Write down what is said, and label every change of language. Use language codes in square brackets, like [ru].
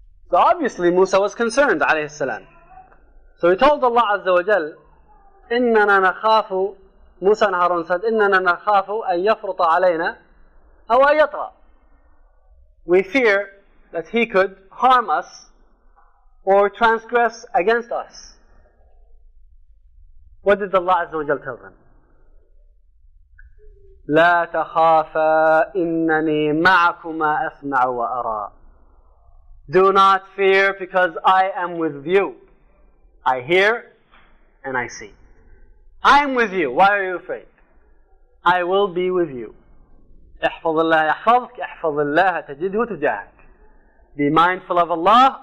[en] So obviously Musa was concerned, alayhi salam. So he told Allah Azza wa Jal, [ar] إِنَّنَا نَخَافُ, [en] Musa and Harun said, [ar] إِنَّنَا نَخَافُ أَن يَفْرُطَ عَلَيْنَا أَوْ أَن يَطْغَى. [en] We fear that he could harm us or transgress against us. What did Allah Azza wa Jal tell them? [ar] لا تخافا إنني معكما أسمع وأرى. [en] Do not fear, because I am with you. I hear and I see. I am with you. Why are you afraid? I will be with you. [ar] احفظ الله يحفظك احفظ الله تجده تجاهك. [en] Be mindful of Allah.